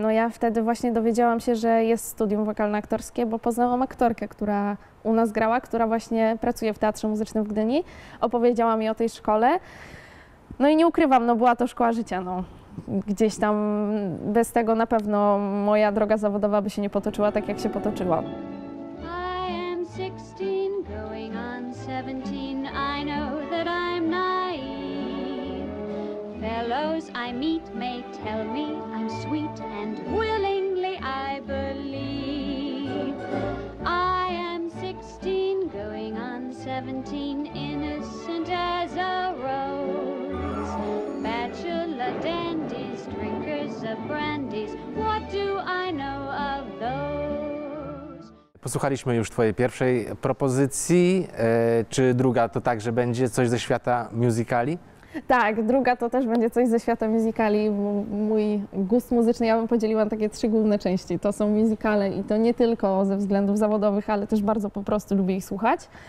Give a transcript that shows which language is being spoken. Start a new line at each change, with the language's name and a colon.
Polish: No ja wtedy właśnie dowiedziałam się, że jest studium wokalno-aktorskie, bo poznałam aktorkę, która u nas grała, która właśnie pracuje w Teatrze Muzycznym w Gdyni. Opowiedziała mi o tej szkole. No i nie ukrywam, no była to szkoła życia, no. Gdzieś tam bez tego na pewno moja droga zawodowa by się nie potoczyła tak, jak się potoczyła.
English: I am 16, going on 17, I know that I'm naive. Fellows I meet may tell me I'm sweet and willingly I believe. I am 16, going on 17, innocent as a rose. Bachelor dandies, drinkers of brandies, what do I know of those?
Polish: Posłuchaliśmy już Twojej pierwszej propozycji. Czy druga to także będzie coś ze świata musicali? Tak, druga to też będzie coś ze świata musicali. Mój gust muzyczny, ja bym podzieliła na takie 3 główne części. To są musicale i to nie tylko ze względów zawodowych, ale też bardzo po prostu lubię ich słuchać.